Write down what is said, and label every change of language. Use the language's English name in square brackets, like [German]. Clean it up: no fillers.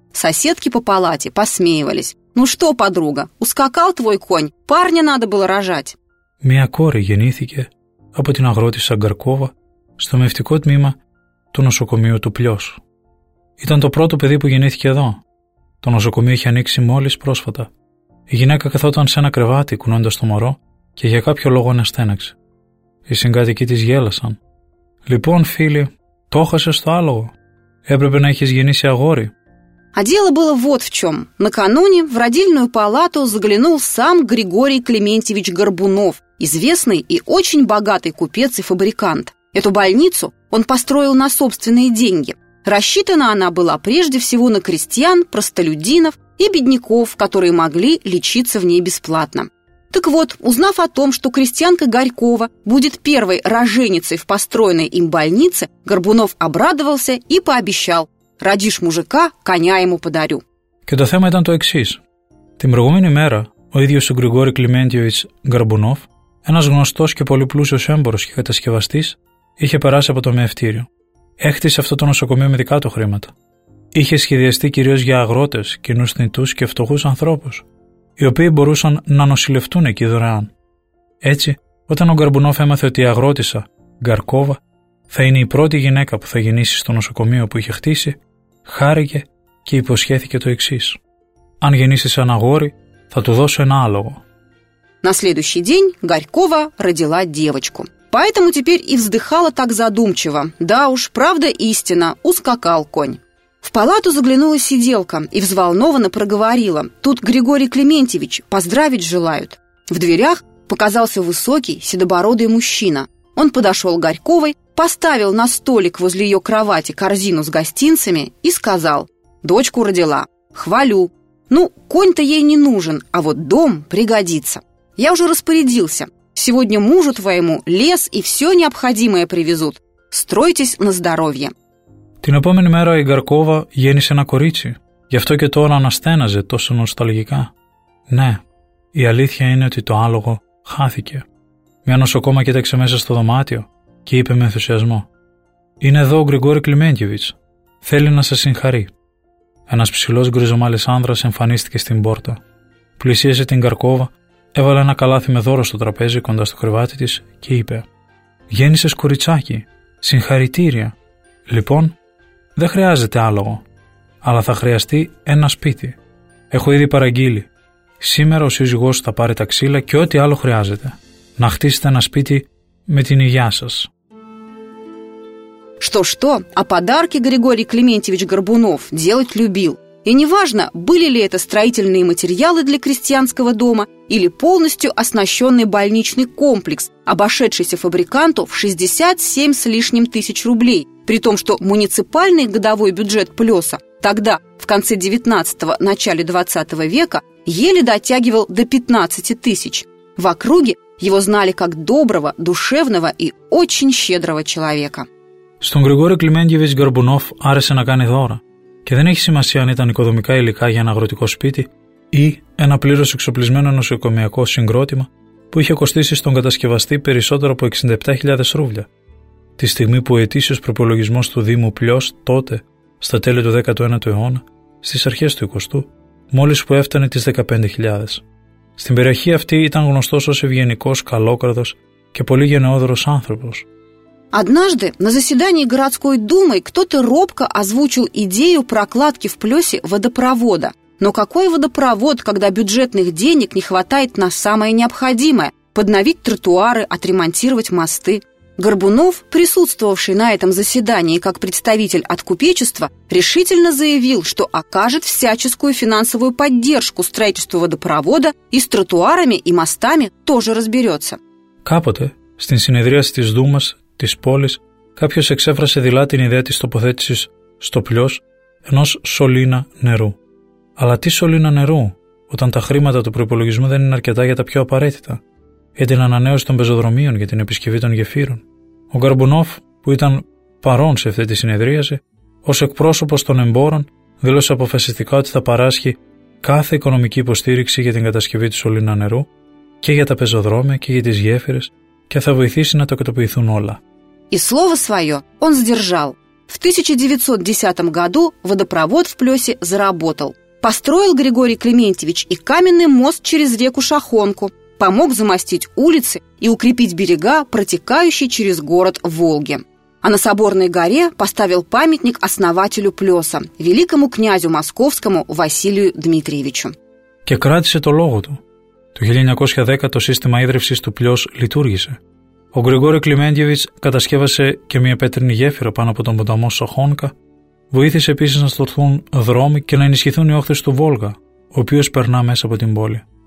[Russian] Соседки по палате посмеивались. «Ну что, подруга, ускакал твой конь? Парня надо было рожать!» [Greek] Мия кори генитике, а потом агротиса Горькова, στο μευτικό τμήμα του νοσοκομείου του Πλιός. Ήταν το πρώτο παιδί που γεννήθηκε εδώ. Το νοσοκομείο είχε ανοίξει μόλις πρόσφατα. Η γυναίκα καθόταν σε ένα κρεβάτι κουνώντας το μωρό και για κάποιο λόγο αναστέναξε. Οι συγκατοικοί της γέλασαν. «Λοιπόν, φίλοι, το έχασες το άλογο. Έπρεπε να έχεις γεννήσει αγόρι». [Russian] А дело было вот в чем. Накануне в родильную палату заглянул сам Григорий Клементьевич Горбунов, известный и очень богатый купец и фабрикант. Эту больницу он построил на собственные деньги. Рассчитана она была прежде всего на крестьян, простолюдинов и бедняков, которые могли лечиться в ней бесплатно. Так вот, узнав о том, что крестьянка Горькова будет первой роженицей в построенной им больнице, Горбунов обрадовался и пообещал: «Родишь мужика, коня ему подарю». [Greek] Και το θέμα ήταν το εξής. Την προηγούμενη μέρα ο ίδιος ο Γρηγόρη Κλιμέντιοβιτς Γκαρμπουνόφ, ένας γνωστός και πολύ πλούσιος έμπορος και κατασκευαστής, είχε περάσει από το μαιευτήριο. Έχτισε αυτό το νοσοκομείο με δικά του χρήματα. Είχε σχεδιαστεί κυρίως για αγρότες, κοινούς θνητούς και φτωχούς ανθρώπους, οι οποίοι μπορούσαν να νοσηλευτούν εκεί δωρεάν. Έτσι, όταν ο Γκαρμπουνόφ έμαθε ότι η αγρότησα, Γκαρκόβα, θα είναι η πρώτη γυναίκα που θα γεννήσει στο νοσοκομείο που είχε χτίσει, χάρηκε και υποσχέθηκε το εξής: «Αν γεννήσεις ένα αγόρι, θα του δώσω ένα άλογο». [Russian] На следующий день Горькова родила девочку. Поэтому теперь и вздыхала так задумчиво. Да уж, правда истина, ускакал конь. В палату заглянула сиделка и взволнованно проговорила: «Тут Григорий Клементьевич, поздравить желают». В дверях показался высокий, седобородый мужчина. Он подошел к Горьковой, поставил на столик возле ее кровати корзину с гостинцами и сказал: «Дочку родила, хвалю. Ну, конь-то ей не нужен, а вот дом пригодится. Я уже распорядился. Сегодня мужу твоему лес и все необходимое привезут. Стройтесь на здоровье». [Greek] Την επόμενη μέρα η Γκαρκόβα γέννησε ένα κορίτσι. Γι' αυτό και τώρα αναστέναζε τόσο νοσταλγικά. Ναι, η αλήθεια είναι ότι το άλογο χάθηκε. Μια νοσοκόμα κοίταξε μέσα στο δωμάτιο και είπε με ενθουσιασμό: «Είναι εδώ ο Γρηγόρη Κλιμέντιεβιτς. Θέλει να σας συγχαρεί». Ένας ψηλός γκριζομάλης άνδρας εμφανίστηκε στην πόρτα. Πλησίασε την Γκαρκόβα, έβαλε ένα καλάθι με δώρο στο τραπέζι κοντά στο κρεβάτι της και είπε: «Γέννησες κοριτσάκι. Συγχαρητήρια. Λοιπόν, δεν χρειάζεται άλογο, αλλά θα χρειαστεί ένα σπίτι. Έχω ήδη παραγγείλει. Σήμερα ο σύζυγός θα πάρει τα ξύλα και ό,τι άλλο χρειάζεται. Να χτίσετε ένα σπίτι με την υγειά σας». [Russian] Что-что, а подарки Григорий Клементьевич Горбунов делать любил. И неважно, были ли это строительные материалы для крестьянского дома или полностью оснащенный больничный комплекс, обошедшийся фабриканту в 67 с лишним тысяч рублей, при том, что муниципальный годовой бюджет Плёса тогда, в конце 19-го, начале 20 века, еле дотягивал до 15 тысяч. В округе его знали как доброго, душевного и очень щедрого человека. [Greek] Στον Γρηγόρη Κλιμέντιεβιτς Γκορμπουνόφ άρεσε να κάνει δώρα. Και δεν έχει σημασία αν ήταν οικοδομικά υλικά για ένα αγροτικό σπίτι ή ένα πλήρως εξοπλισμένο νοσοκομιακό συγκρότημα που είχε κοστίσει στον κατασκευαστή περισσότερο από 67.000 ρούβλια. Τη στιγμή που ο ετήσιος προϋπολογισμός του Δήμου Πλιός τότε, στα τέλη του 19ου αιώνα, στις αρχές του 20ου, μόλις που έφτανε τις 15.000. Στην περιοχή αυτή ήταν γνωστός ως ευγενικός, καλόκαρδος και πολύ γενναιόδωρος άνθρωπος. [Russian] Однажды на заседании городской думы кто-то робко озвучил идею прокладки в Плёсе водопровода. Но какой водопровод, когда бюджетных денег не хватает на самое необходимое – подновить тротуары, отремонтировать мосты? Горбунов, присутствовавший на этом заседании как представитель от купечества, решительно заявил, что окажет всяческую финансовую поддержку строительству водопровода и с тротуарами и мостами тоже разберется. [Greek] Капоте, στην συνεδρίαση της Δούμας, της πόλης, κάποιος εξέφρασε δειλά την ιδέα της τοποθέτησης στο Πλιός ενός σωλήνα νερού. Αλλά τι σωλήνα νερού, όταν τα χρήματα του προϋπολογισμού δεν είναι αρκετά για τα πιο απαραίτητα, για την ανανέωση των πεζοδρομίων, για την επισκευή των γεφύρων. Ο Γκορμπουνόφ, που ήταν παρόν σε αυτή τη συνεδρίαση, ως εκπρόσωπος των εμπόρων, δήλωσε αποφασιστικά ότι θα παράσχει κάθε οικονομική υποστήριξη για την κατασκευή του σωλήνα νερού και για τα πεζοδρόμια και για τις γέφυρες και θα βοηθήσει να τακτοποιηθούν όλα. [Russian] И слово свое он сдержал. В 1910 году водопровод в Плёсе заработал. Построил Григорий Климентьевич и каменный мост через реку Шахонку, помог замостить улицы и укрепить берега, протекающие через город Волги. А на Соборной горе поставил памятник основателю Плёса, великому князю московскому Василию Дмитриевичу. [Greek] Και κράτησε το λόγο του. Το 1910 το σύστημα ίδρυυσης του Πλιός λειτουργήσε. Ο Γρηγόρη Κλιμέντιεβιτς κατασκεύασε και μια πέτρινη γέφυρα πάνω από τον ποταμό Σοχόνκα, βοήθησε επίσης να στρωθούν δρόμοι και να ενισχυθούν οι όχθες του Βόλγα, ο οποίος περνά μέσα από την πόλη.